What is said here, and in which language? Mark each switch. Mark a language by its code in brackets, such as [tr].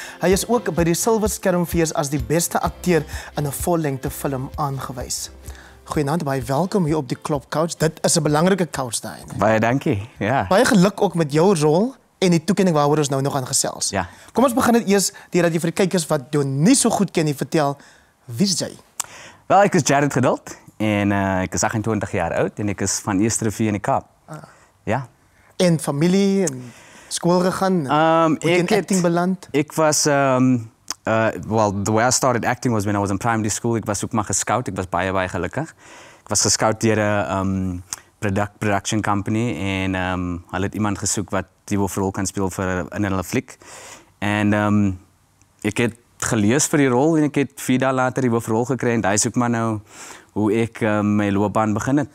[af] Hy is ook by die Silver Skermfees as die beste akteur in 'n vollengte film aangewys. Goeienaand, baie welkom hier op die Klop Couch. Dit is 'n belangrike couch daai. Baie dankie. Ja. Baie geluk ook met jou rol en die toekenning waaroor ons nou nog aan gesels. Ja. Kom ons begin dit eers deurdat jy vir die kykers wat jou nie so goed ken, jy vertel wie is jy? Wel, ek is Jared Geduld en ek is 28 jaar oud en ek is van Eersterivier in die Kaap. Ah. Ja. En familie en skool gegaan. Acting beland. Ek was [en] the way I started acting was when I was in primary school. [af] Ek was ook maar geskout. Ek was baie gelukkig. Ek was geskout deur 'n production company en hulle het iemand gesoek wat die hoofrol kan speel vir in hulle fliek. En ek het gelees vir die rol en ek het 4 dae later die hoofrol gekry en hy soek maar nou hoe ek my loopbaan begin het.